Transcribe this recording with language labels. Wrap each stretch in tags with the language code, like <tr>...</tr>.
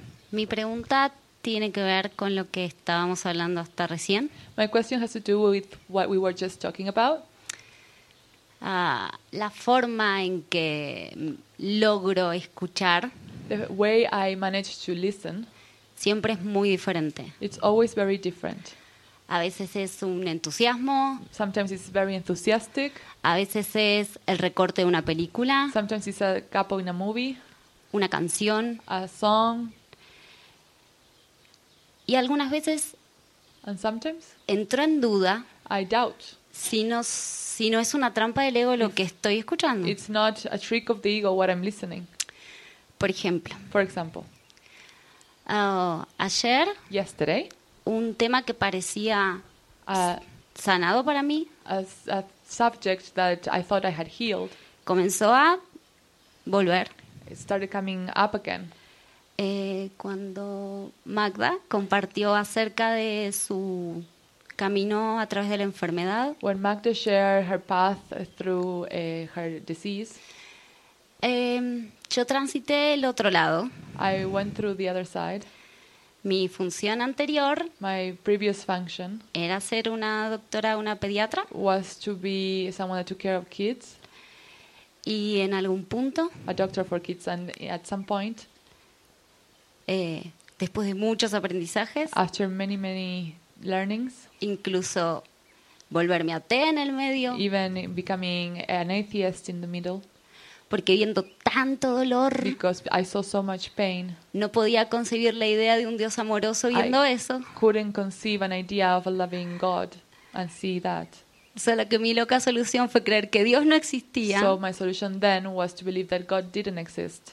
<es>Mi pregunta tiene que ver con lo que estábamos hablando hasta recién.</es> <en>My question has to do with what we were just talking about.</en> <es>La forma en que logro escuchar.</es> <en>The way I manage to listen,</en> <es>siempre es muy diferente.</es> <en>It's always very different.</en> <es>A veces es un entusiasmo.</es> <en>Sometimes it's very enthusiastic.</en> <es>A veces es el recorte de una película.</es> <en>Sometimes it's a cap in a movie.</en> <es>Una canción.</es> <en>A song.</en> <es>Y algunas veces.</es> <en>And sometimes.</en> <es>Entro en duda.</es> <en>I doubt.</en> <es>Si no es una trampa del ego lo que estoy escuchando.</es> <en>It's not a trick of the ego what I'm listening.</en> <es>Por ejemplo.</es> <en>For example.</en> <es>Ayer.</es> <en>Yesterday.</en> <es>Un tema que parecía sanado para mí.</es> <en>A subject that I thought I had healed.</en> <es>Comenzó a volver.</es> <en>It started coming up again.</en> <es>Cuando Magda compartió acerca de su camino a través de la enfermedad.</es> <en>When Magda shared her path through her disease.</en> <es>Yo transité el otro lado.</es> <en>I went through the other side.</en> <es>Mi función anterior,</es> <en>my previous function,</en> <es>era ser una doctora, una pediatra,</es> <en>was to be someone that took care of kids.</en> <es>Y en algún punto,</es> <en>a doctor for kids, and at some point,</en> <es>después de muchos aprendizajes,</es> <en>after many many learnings,</en> <es>incluso volverme atea en el medio,</es> <en>even becoming an atheist in the middle.</en> <es>Porque viendo tanto dolor,</es> <en>because I saw so much pain,</en> <es>no podía concebir la idea de un Dios amoroso viendo eso.</es> <en>I couldn't conceive an idea of a loving God and see that.</en> <es>Solo que mi loca solución fue creer que Dios no existía.</es> <en>So my solution then was to believe that God didn't exist.</en>